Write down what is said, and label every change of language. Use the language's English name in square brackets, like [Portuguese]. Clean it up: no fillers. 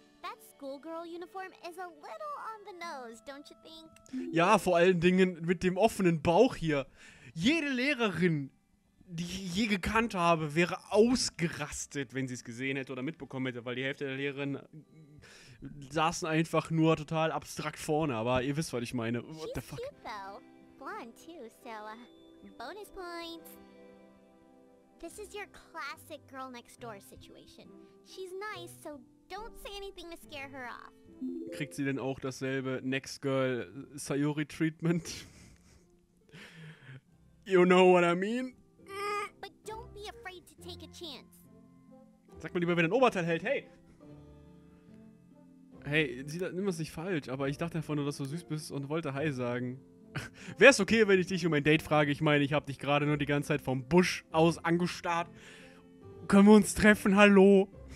[English] That schoolgirl uniform is a little on the nose, don't you think? [German] Ja, vor allen Dingen mit dem offenen Bauch hier. Jede Lehrerin, die ich je gekannt habe, wäre ausgerastet, wenn sie es gesehen hätte oder mitbekommen hätte, weil die Hälfte der Lehrerin saßen einfach nur total abstrakt vorne, aber ihr wisst, was ich meine. [English] What the fuck? She's cute though. Blonde too, so bonus points. This is your classic girl next door situation. She's nice, so don't say anything to scare her off. [German] Kriegt sie denn auch dasselbe [English] Next Girl Sayori Treatment? You know what I mean? But don't be afraid to take a chance. [German] Sag mal lieber, wenn ein Oberteil hält, hey! Hey, nimm es nicht falsch, aber ich dachte einfach nur, dass du süß bist und wollte Hi sagen. Wäre es okay, wenn ich dich um ein Date frage? Ich meine, ich habe dich gerade nur die ganze Zeit vom Busch aus angestarrt. Können wir uns treffen? Hallo?